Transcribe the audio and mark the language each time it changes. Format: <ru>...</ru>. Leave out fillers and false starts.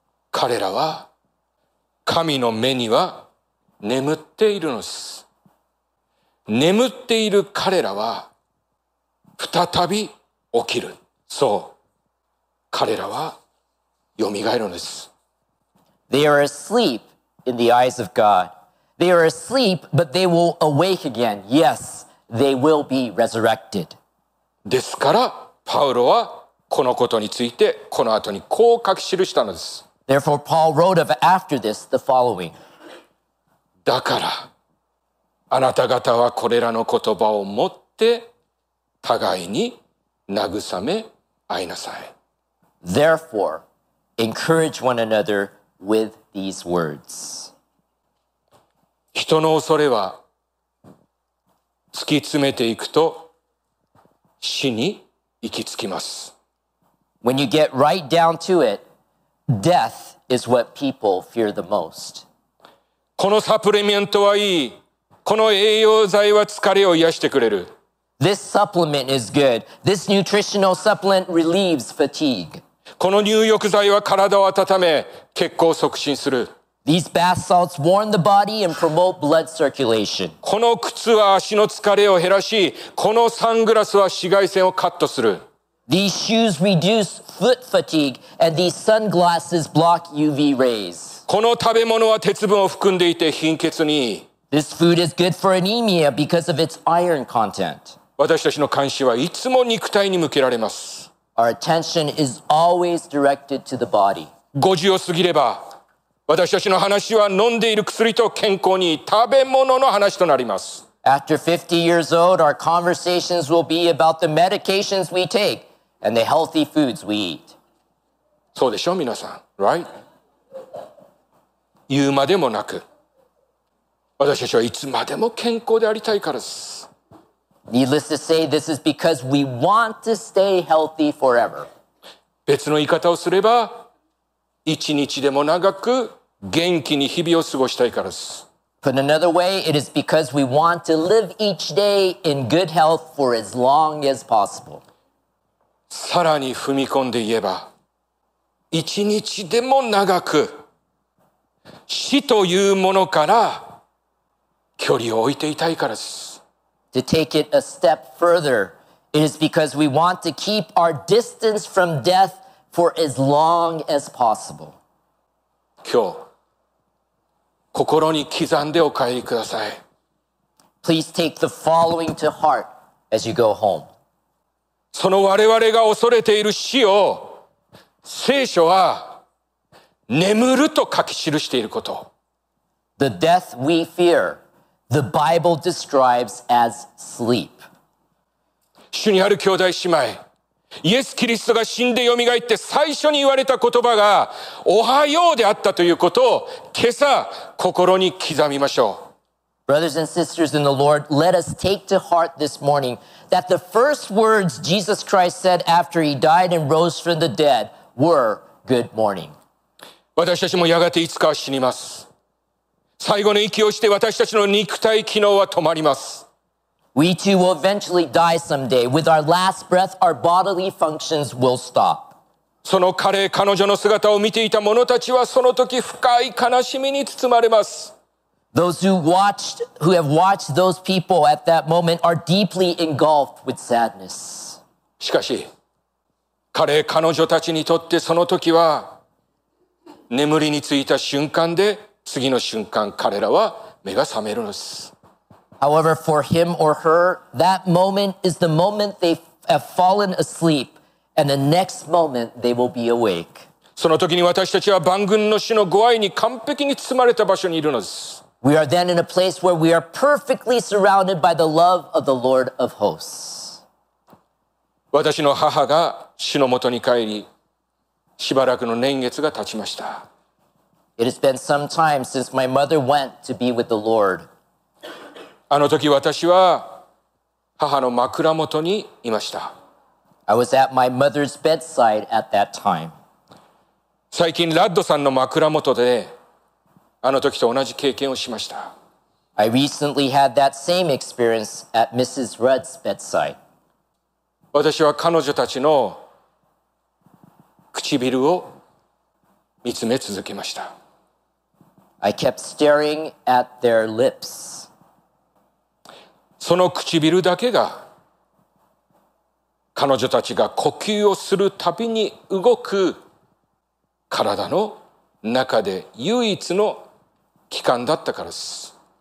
<ja>彼らは、神の目には眠っているのです。眠っている彼らは再び起きる。そう、彼らは蘇るんです。</ja> <en>They are asleep in the eyes of God. They are asleep, but they will awake again. Yes, they will be resurrected.</en> <ja>ですから、パウロはこのことについてこの後にこう書き記したのです。</ja> <en>Therefore, Paul wrote of after this the following.</en> <ja>だから、あなた方はこれらの言葉を持って互いに慰め合いなさい。</ja> <en>Therefore, encourage one another with these words.</en> <ja>人の恐れは突き詰めていくと死に行き着きます。</ja> <en>When you get right down to it, death is what people fear the most.</en> <ja>このサプリメントはいい。この栄養剤は疲れを癒してくれる。</ja> <en>This supplement is good. This nutritional supplement relieves fatigue.</en> <ja>この入浴剤は体を温め、血行促進する。</ja> <en>These bath salts warm the body and promote blood circulation.</en> <ja>この靴は足の疲れを減らし、このサングラスは紫外線をカットする。</ja> <en>These shoes reduce foot fatigue and these sunglasses block UV rays.</en> <ja>この食べ物は鉄分を含んでいて貧血に。</ja> <en>This food is good for anemia because of its iron content.</en> <ja>私たちの関心はいつも肉体に向けられます。</ja> <en>Our attention is always directed to the body.</en> <ja>50を過ぎれば、私たちの話は飲んでいる薬と健康に、食べ物の話となります。</ja> <en>After 50 years old, our conversations will be about the medications we take and the healthy foods we eat.</en> <ja>そうでしょう、皆さん。</ja> <en>Right?</en> <ja>言うまでもなく、私たちはいつまでも健康でありたいからです。</ja> <en>Needless to say, this is because we want to stay healthy forever.</en> <ja>別の言い方をすれば、一日でも長く元気に日々を過ごしたいからです。</ja> <en>Put another way, it is because we want to live each day in good health for as long as possible.</en> <ja>さらに踏み込んで言えば、一日でも長く死というものから距離を置いていたいからです。</ja> <en>To take it a step further, it is because we want to keep our distance from death for as long as possible.</en> <ja>今日心に刻んでお帰りください。</ja> <en>Please take the following to heart as you go home.</en> <ja>その我々が恐れている死を、聖書は眠ると書き記していること。</ja> <en>The death we fear, the Bible describes as sleep.</en> <ja>主にある兄弟姉妹、イエス・キリストが死んでよみがえって最初に言われた言葉がおはようであったということを今朝心に刻みましょう。</ja> <en>Brothers and sisters in the Lord, let us take to heart this morning that the first words Jesus Christ said after he died and rose from the dead were good morning.</en> <ja>私たちもやがていつかは死にます。最後の息をして私たちの肉体機能は止まります。</ja> <en>We too will eventually die someday. With our last breath, our bodily functions will stop.</en> <ja>その彼、彼女の姿を見ていた者たちはその時深い悲しみに包まれます。</ja> <en>Those who have watched those people at that moment are deeply engulfed with sadness.</en> <ja>しかし、彼、彼女たちにとってその時は眠りについた瞬間で次の瞬間彼らは目が覚めるのです。</ja> <en>However, for him or her, that moment is the moment they have fallen asleep, and the next moment they will be awake.</en> <ja>その時に私たちは万軍の主のご愛に完璧に包まれた場所にいるのです。</ja> <en>We are then in a place where we are perfectly surrounded by the love of the Lord of hosts.</en> <ja>私の母が主のもとに帰り、しばらくの年月が経ちました。</ja> <en>It has been some time since my mother went to be with the Lord.</en> <ja>あの時私は母の枕元にいました。</ja> <en>I was at my mother's bedside at that time.</en> <ja>最近ラッドさんの枕元であの時と同じ経験をしました。</ja> <en>I recently had that same experience at Mrs. Rudd's bedside.</en> <ja>私は彼女たちの唇を見つめ続けました。</ja> <en>I kept staring at their lips.</en> <ja>その唇だけが彼女たちが呼吸をするたびに動く体の中で唯一の器官だったからです。</ja>